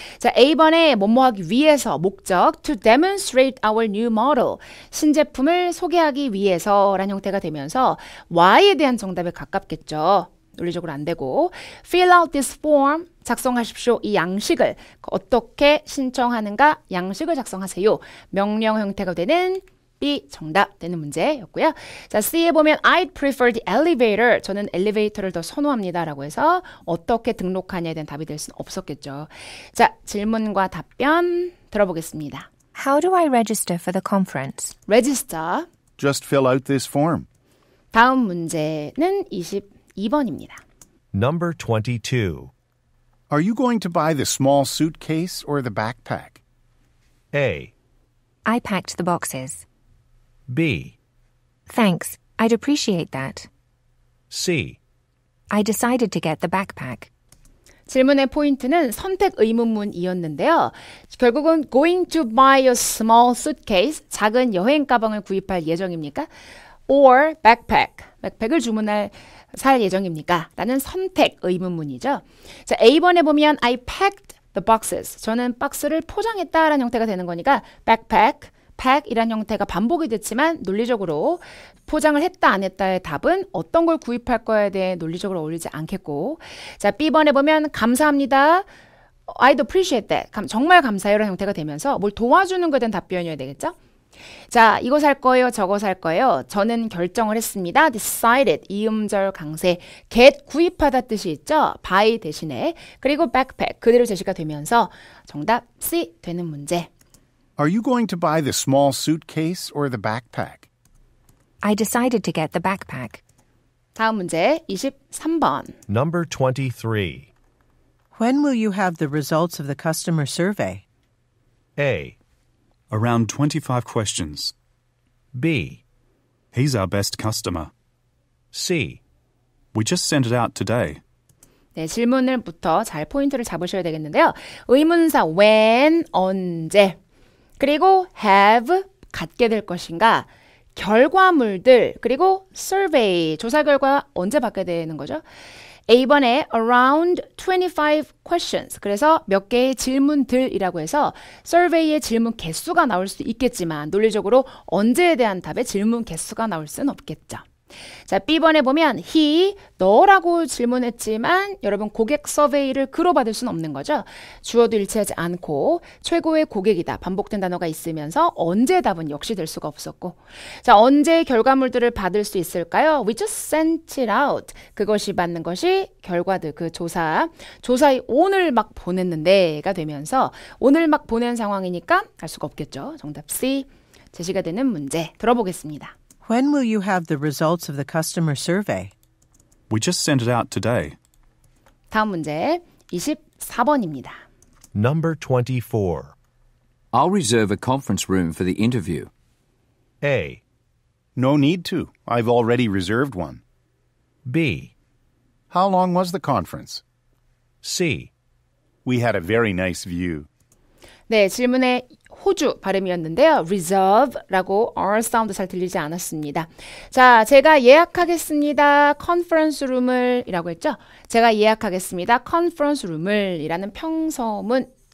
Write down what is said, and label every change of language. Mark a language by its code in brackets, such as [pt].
[ko] 자, A번에 뭐뭐 하기 위해서 목적 [en] to demonstrate our new model [ko] 신제품을 소개하기 위해서란 형태가 되면서 why에 대한 정답에 가깝겠죠. 논리적으로 안 되고 [en] fill out this form [ko] 작성하십시오. 이 양식을 어떻게 신청하는가 양식을 작성하세요. 명령 형태가 되는 B 정답 되는 문제였고요. 자 C에 보면 [en] I'd prefer the elevator. [ko] 저는 엘리베이터를 더 선호합니다. 라고 해서 어떻게 등록하냐에 대한 답이 될 수는 없었겠죠. 자 질문과 답변 들어보겠습니다. [en] How do I register for the conference? Register. Just fill out this form. [ko] 다음 문제는 20 2번입니다. [en] Number 22. Are you going to buy the small suitcase or the backpack? A. I packed the boxes. B. Thanks, I'd appreciate that. C. I decided to get the backpack. [ko] 질문의 포인트는 선택 의문문이었는데요. 결국은 [en] going to buy a small suitcase, [ko] 작은 여행 가방을 구입할 예정입니까? Or backpack, 백팩을 주문할 살 예정입니까? 라는 선택 의문문이죠. 자, A번에 보면 [en] I packed the boxes. [ko] 저는 박스를 포장했다라는 형태가 되는 거니까 backpack, pack이라는 형태가 반복이 됐지만 논리적으로 포장을 했다 안 했다의 답은 어떤 걸 구입할 거에 대해 논리적으로 어울리지 않겠고 자, B번에 보면 감사합니다. [en] I'd appreciate that. [ko] 정말 감사해요라는 형태가 되면서 뭘 도와주는 것에 대한 답변이어야 되겠죠? 자, 이거 살 거예요? 저거 살 거예요? 저는 결정을 했습니다. decided, 이음절 강세, get, 구입하다 뜻이 있죠? buy 대신에, 그리고 backpack, 그대로 제시가 되면서 정답 C 되는 문제. [en] Are you going to buy the small suitcase or the backpack? I decided to get the backpack. [ko] 다음 문제, 23번. [en] Number 23. When will you have the results of the customer survey? A. Around 25 questions. B. He's our best customer. C. We just sent it out today. [ko] 네, 질문을부터 잘 포인트를 잡으셔야 되겠는데요. 의문사 when, 언제, 그리고 have, 갖게 될 것인가, 결과물들, 그리고 survey, 조사 결과 언제 받게 되는 거죠? A번에 [en] around 25 questions, [ko] 그래서 몇 개의 질문들이라고 해서 survey의 질문 개수가 나올 수 있겠지만 논리적으로 언제에 대한 답에 질문 개수가 나올 수는 없겠죠. 자, B번에 보면 he, 너라고 질문했지만 여러분 고객 서베이를 그로 받을 수는 없는 거죠. 주어도 일치하지 않고 최고의 고객이다. 반복된 단어가 있으면서 언제 답은 역시 될 수가 없었고 자, 언제 결과물들을 받을 수 있을까요? [en] We just sent it out. [ko] 그것이 받는 것이 결과들, 그 조사. 조사에 오늘 막 보냈는데가 되면서 오늘 막 보낸 상황이니까 알 수가 없겠죠. 정답 C 제시가 되는 문제 들어보겠습니다. [en] When will you have the results of the customer survey? We just sent it out today. [ko] 다음 문제 24번입니다. [en] Number 24. I'll reserve a conference room for the interview. A. No need to. I've already reserved one. B. How long was the conference? C. We had a very nice view. [ko] 네, 질문에 호주 발음이었는데요. reserve라고 R 사운드 잘 들리지 않았습니다. 자, 제가 예약하겠습니다. 컨퍼런스 룸을 이라고 했죠? 제가 예약하겠습니다. 컨퍼런스 룸을 이라는 평서문.